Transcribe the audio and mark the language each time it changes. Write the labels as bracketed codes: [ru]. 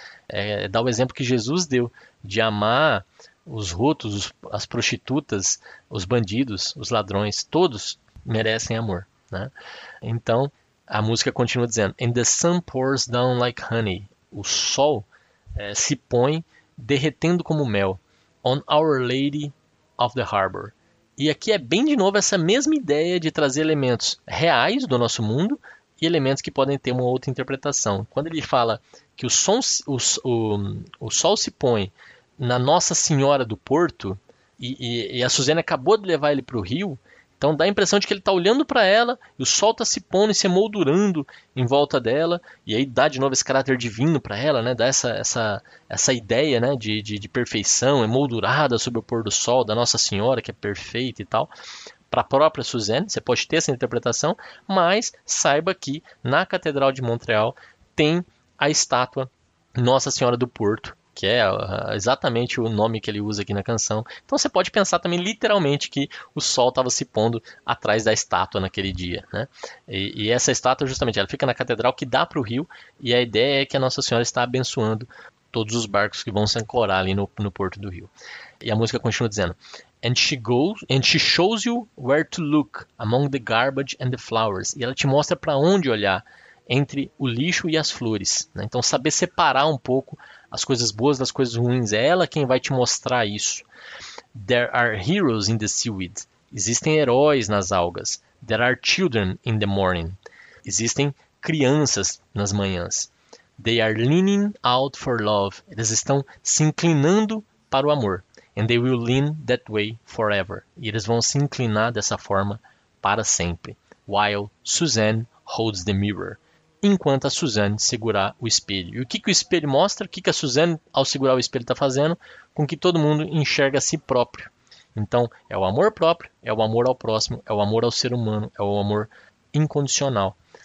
[pt] É dar o exemplo que Jesus deu de amar os rotos, as prostitutas, os bandidos, os ladrões, todos merecem amor, né? Então, a música continua dizendo: [en] "And the sun pours down like honey." [pt] O sol se põe derretendo como mel. [en] "On Our Lady of the Harbor." [pt] E aqui é bem de novo essa mesma ideia de trazer elementos reais do nosso mundo e elementos que podem ter uma outra interpretação. Quando ele fala que o sol se põe na Nossa Senhora do Porto, e a Suzana acabou de levar ele para o rio, então dá a impressão de que ele está olhando para ela, e o sol está se pondo e se emoldurando em volta dela, e aí dá de novo esse caráter divino para ela, né? Dá essa ideia, né? de perfeição, emoldurada sobre o pôr do sol, da Nossa Senhora, que é perfeita e tal, para a própria Suzana. Você pode ter essa interpretação, mas saiba que na Catedral de Montreal tem a estátua Nossa Senhora do Porto, que é exatamente o nome que ele usa aqui na canção. Então você pode pensar também literalmente que o sol estava se pondo atrás da estátua naquele dia, né? E essa estátua, justamente, ela fica na catedral que dá para o rio, e a ideia é que a Nossa Senhora está abençoando todos os barcos que vão se ancorar ali no porto do rio. E a música continua dizendo: [en] "And she goes, and she shows you where to look among the garbage and the flowers." [pt] E ela te mostra para onde olhar entre o lixo e as flores, né? Então saber separar um pouco as coisas boas das coisas ruins, é ela quem vai te mostrar isso. [en] "There are heroes in the seaweed." [pt] Existem heróis nas algas. [en] "There are children in the morning." [pt] Existem crianças nas manhãs. [en] "They are leaning out for love." [pt] Eles estão se inclinando para o amor. [en] and they will lean that way forever. [pt] E eles vão se inclinar dessa forma para sempre. [en] While Suzanne holds the mirror. [pt] Enquanto a Suzanne segurar o espelho. E o que, que o espelho mostra? O que, que a Suzanne, ao segurar o espelho, está fazendo? Com que todo mundo enxerga a si próprio. Então, é o amor próprio, é o amor ao próximo, é o amor ao ser humano, é o amor incondicional.